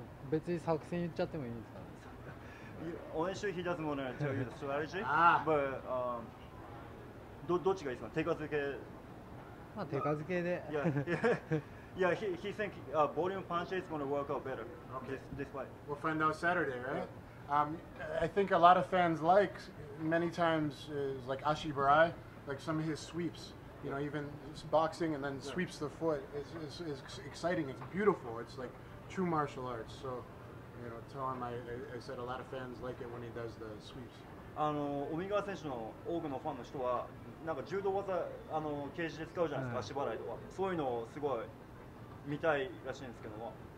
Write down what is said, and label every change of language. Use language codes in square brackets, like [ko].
[ja] 別に作戦言っちゃってもいいんですか？練習引き出すものは違うストラテジー？どっちがいいですか？手数系？まあ手数系で。 [en] He think volume punch is going to work out better. This fight. We'll find out Saturday, right? I think a lot of fans like many times is like Ashi Barai, like some of his sweeps. You know, even boxing and then sweeps the foot is exciting. It's beautiful. It's like true martial arts. So, you know, tell him I said a lot of fans like it when he does the sweeps. [ja] Omigawa 選手の多くのファンの人はなんか柔道技ケージで使うじゃないですか、足払いとか。そういうのをすごい見たいらしいんですけども。